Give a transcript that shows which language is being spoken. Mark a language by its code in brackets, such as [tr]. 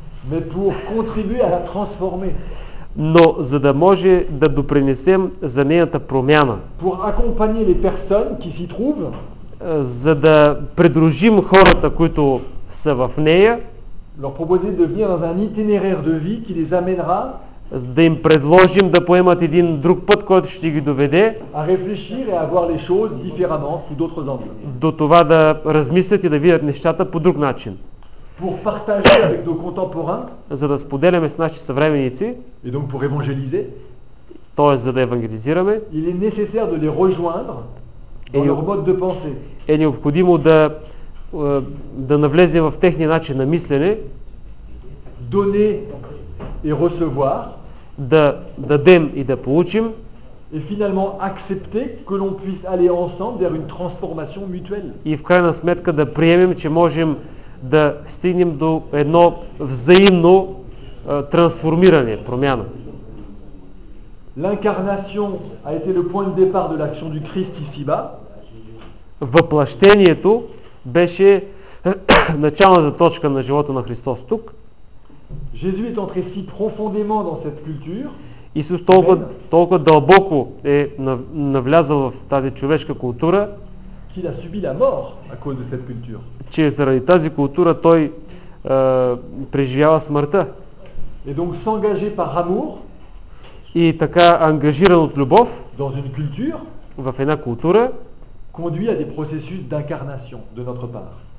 [fr] Mais pour contribuer à la transformer. [bg] Но за да може да допринесем за нейната промяна. [fr] Pour accompagner les personnes qui s'y trouvent, [bg] за да придружим хората, които са в нея, [fr] leur proposer de venir dans un itinéraire de vie qui les amènera, [bg] да им предложим да поемат един друг път, който ще ги доведе, [fr] à réfléchir et à voir les choses différemment sous d'autres angles. [bg] До това да размислят и да видят нещата по друг начин. [fr] Pour partager avec nos contemporains, [bg] за да споделяме с наши съвременици, [fr] et donc pour évangéliser, [bg] т.е. за да евангелизираме, [fr] il est nécessaire de les rejoindre dans leur mode de pensée. [bg] Е необходимо да, навлезе в техния начин на мислене, [fr] donner et recevoir, [bg] да дадем и да получим, [fr] et finalement accepter que l'on puisse aller ensemble vers une transformation mutuelle. [bg] И в крайна сметка да приемем, че можем да стигнем до едно взаимно трансформиране, промяна. [fr] L'incarnation a été le point de départ de l'action du Christ ici-bas. [bg] Въплъщението беше началната точка на живота на Христос тук. [fr] Jésus est entré si profondément dans cette culture. [bg] Исус толкова, дълбоко е навлязал в тази човешка култура. [fr] Qu'il a subi la mort à cause de cette culture. [bg] Че заради тази култура той преживява смъртта. [fr] Et donc s'engager par amour, [bg] и така ангажиран от любов [fr] dans une culture, [bg] в една култура [fr] conduit à des processus d'incarnation de notre part.